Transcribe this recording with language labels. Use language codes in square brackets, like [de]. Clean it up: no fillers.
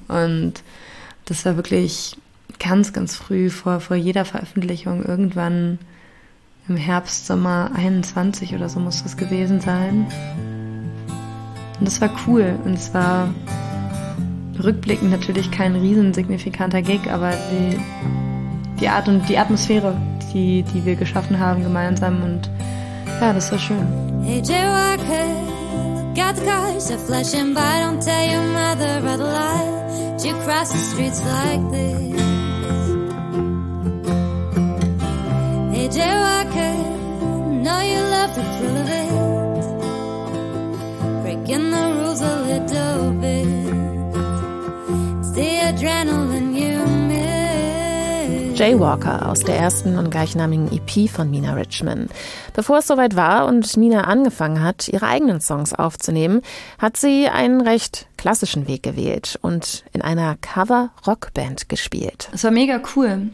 [de] Und das war wirklich ganz, ganz früh vor jeder Veröffentlichung, irgendwann im Herbst, Sommer 21 oder so muss das gewesen sein. Und das war cool. Und es war rückblickend natürlich kein riesen signifikanter Gig, aber die Art und die Atmosphäre, die wir geschaffen haben gemeinsam. Und ja, das war schön. [en] Hey, Jay Walker, got the guys that flash and by, don't tell your mother I'd lie. Do you cross the streets like this? Hey, Jay Walker, know you love the thrill of it. Breaking the rules a little bit. It's the adrenaline you miss. [de] Jay Walker aus der ersten und gleichnamigen EP von Mina Richman. Bevor es soweit war und Mina angefangen hat, ihre eigenen Songs aufzunehmen, hat sie einen recht klassischen Weg gewählt und in einer Cover-Rockband gespielt. Es war mega cool.